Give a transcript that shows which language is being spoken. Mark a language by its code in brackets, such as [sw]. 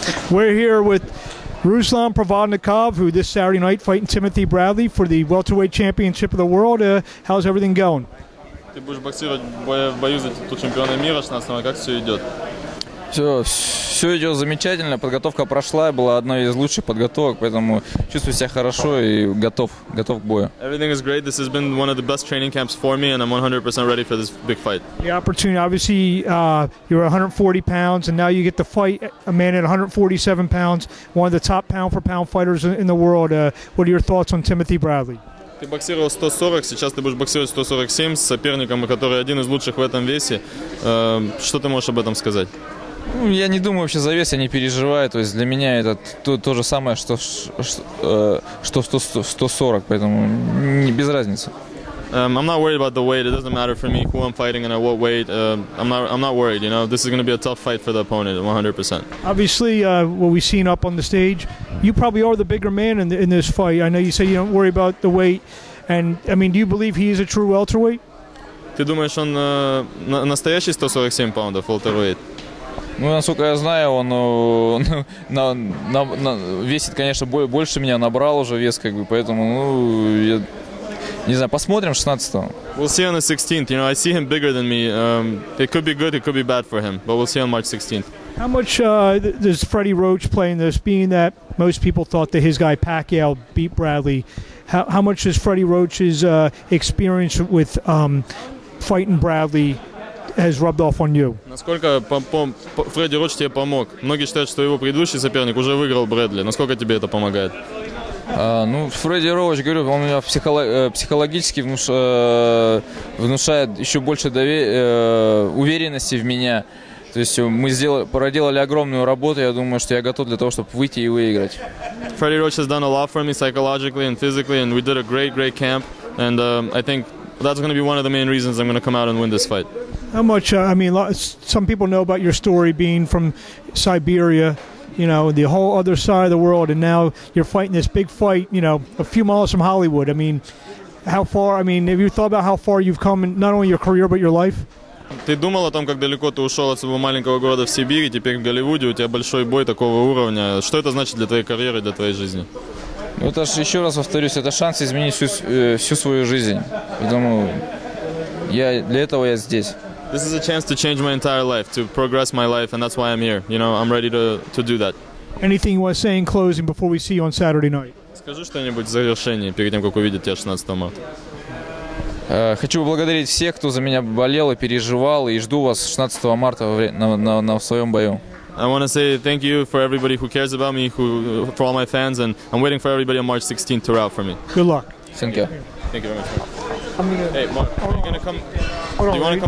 [en] We're here with Ruslan Pravodnikov, who this Saturday night fighting Timothy Bradley for the welterweight championship of the world. How's everything going? [ru] Ты будешь боксировать в бою за титул чемпиона мира 16-го. Как все идет? Все идет замечательно. Подготовка прошла, была одной из лучших подготовок, поэтому чувствую себя хорошо и готов к бою. [en] Everything is great. This has been one of the best training camps for me, and I'm 100% ready for this big fight. The opportunity, obviously, you're 140 pounds, and now you get to fight a man at 147 pounds, one of the top pound-for-pound fighters in the world. What are your thoughts on Timothy Bradley? [ru] Ты боксировал 140, сейчас ты будешь боксировать 147 с соперником, который один из лучших в этом весе. Что ты можешь об этом сказать? Я не думаю вообще за вес, я не переживаю. То есть для меня это то же самое, что 140, поэтому без разницы. [en] I'm not worried about the weight. It doesn't matter for me who I'm fighting and at what weight. I'm not worried. You know, this is going to be a tough fight for the opponent, 100%. Obviously, what we've seen up on the stage, you probably are the bigger man in this fight. I know you say you don't worry about the weight, and I mean, do you believe he is a true welterweight? [ru] Ты думаешь, он настоящий 147 паундов welterweight? Ну, насколько я знаю, он весит, конечно, больше меня, набрал уже вес, как бы, поэтому, ну, я не знаю, посмотрим 16-го. [en] We'll see on the 16th, you know, I see him bigger than me. It could be good, it could be bad for him, but we'll see on March 16th. How much does Freddie Roach play in this, being that most people thought that his guy Pacquiao beat Bradley? How much does Freddie Roach's experience with fighting Bradley has rubbed off on you? [ru] Насколько Фредди Роч тебе помог? Многие считают, что его предыдущий соперник уже выиграл Брэдли. Насколько тебе это помогает? Ну, Фредди Роч, говорю, он меня психологически внушает еще больше уверенности в меня. То есть мы проделали огромную работу, я думаю, что я готов для того, чтобы выйти и выиграть. [en] Фредди Роч has done a lot for me psychologically and physically, and we did a great, great camp. And I think that's going to be one of the main reasons I'm going to come out and win this fight. How much, I mean, some people know about your story being from Siberia, you know, the whole other side of the world, and now you're fighting this big fight, you know, a few miles from Hollywood. I mean, how far, I mean, have you thought about how far you've come in not only your career, but your life? [ru] Ты думал о том, как далеко ты ушел от своего маленького города в Сибири, теперь в Голливуде, у тебя большой бой такого уровня. Что это значит для твоей карьеры, для твоей жизни? Ну, это же, еще раз повторюсь, это шанс изменить всю свою жизнь. Поэтому я для этого я здесь. [en] This is a chance to change my entire life, to progress my life, and that's why I'm here. You know, I'm ready to do that. Anything you want to say in closing before we see you on Saturday night? [ru] Скажи что-нибудь в завершении, перед тем, как увидят тебя 16 марта. Хочу поблагодарить всех, кто за меня болел и переживал, и жду вас 16 марта на своем бою. [en] I want to say thank you for everybody who cares about me, for all my fans, and I'm waiting for everybody on March 16th to route for me. Good luck. Thank you. Thank you very much. Hey, Mark, are you going to come? Do you want to come?